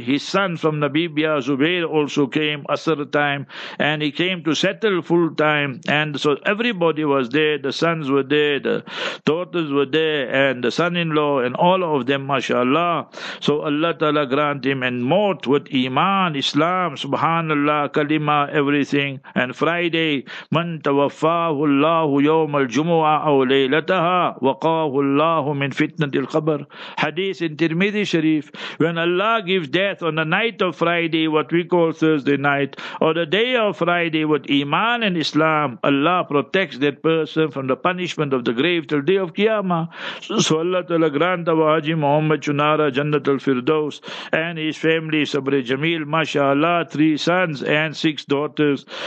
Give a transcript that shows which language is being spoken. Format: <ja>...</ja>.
<en>His son from Namibia, Zubair, also came Asr time, and he came to settle full time. And so everybody was there, the sons were there, the daughters were there, and the son-in-law, and all of them, mashallah. So Allah Ta'ala grant him and mort with Iman, Islam, Subhanallah, Kalima, everything. And Friday,</en> <ar>من توفاه الله يوم الجمعة أو ليلتها وقاه الله من فتنة القبر.</ar> <en>Hadith in Tirmidhi Sharif, when Allah gives death on the night of Friday, what we call Thursday night, or the day of Friday with Iman and Islam, Allah protects that person from the punishment of the grave till day of Qiyamah. So Allah Ta'ala grant our Haji Muhammad Chunara Jannat al-Firdaus and his family, Sabre Jameel, mashallah, 3 sons and 6 daughters.</en>